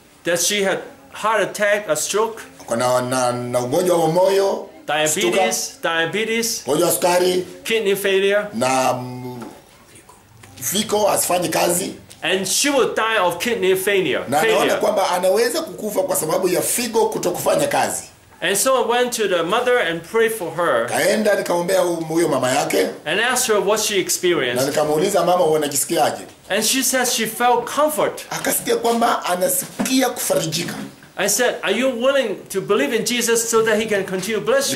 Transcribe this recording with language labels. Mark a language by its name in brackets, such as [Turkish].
[English] That she had heart attack, a stroke. [Swahili] Kuna ugonjwa wa moyo. [English] Diabetes. [Swahili] Ugonjwa sukari. [English] Kidney failure. [Swahili] Na Fiko asifanye kazi. [English] And she will die of kidney failure. [Swahili] Na naona kwamba anaweza kukufa kwa sababu ya figo kutokufanya kazi. [English] And so I went to the mother and prayed for her. [Swahili] Kaenda nikamwombea huyo mama yake. [English] And asked her what she experienced. [Swahili] Na nikamuuliza mama unajisikiaje. [English] And she says she felt comfort. [Swahili] Akasikia kwamba anasikia kufarijika. [English] I said, are you willing to believe in Jesus so that he can continue to bless you?